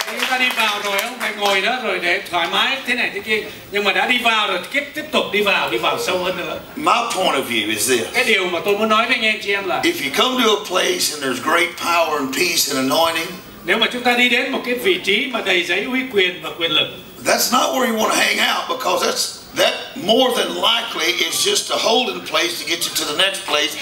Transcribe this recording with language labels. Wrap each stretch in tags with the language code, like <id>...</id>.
<vi>Đã đi vào rồi ông phải ngồi đó rồi để thoải mái thế này thế kia nhưng mà đã đi vào rồi tiếp tiếp tục đi vào sâu hơn nữa.</vi> <en>My point of view is this.</en> <vi>Cái điều mà tôi muốn nói với anh chị em là</vi> <en>if you come to a place and there's great power and peace and anointing,</en> <vi>nếu mà chúng ta đi đến một cái vị trí mà đầy dẫy uy quyền và quyền lực,</vi> <en>that's not where you want to hang out because that's that more than likely is just a holding place to get you to the next place.</en>